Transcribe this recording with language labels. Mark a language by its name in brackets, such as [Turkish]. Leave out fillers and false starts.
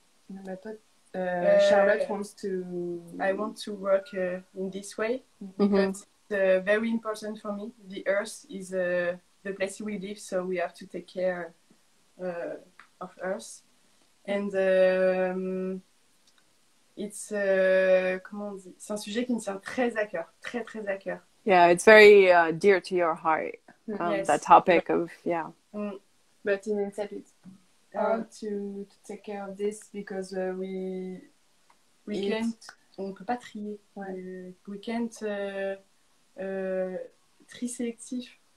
[French] Non, mais toi, [English] Charlotte wants to... I want to work in this way, because it's very important for me. The Earth is the place we live, so we have to take care of Earth. And it's [French] comment on dit? C'est un sujet qui me tient très à cœur, très très à cœur. [English] Yeah, it's very dear to your heart. Yes. That topic of But in Incept, it's hard to take care of this because we eat. Can't. [French] On peut pas trier. Ouais. [English] We can't [French] tri sélectif.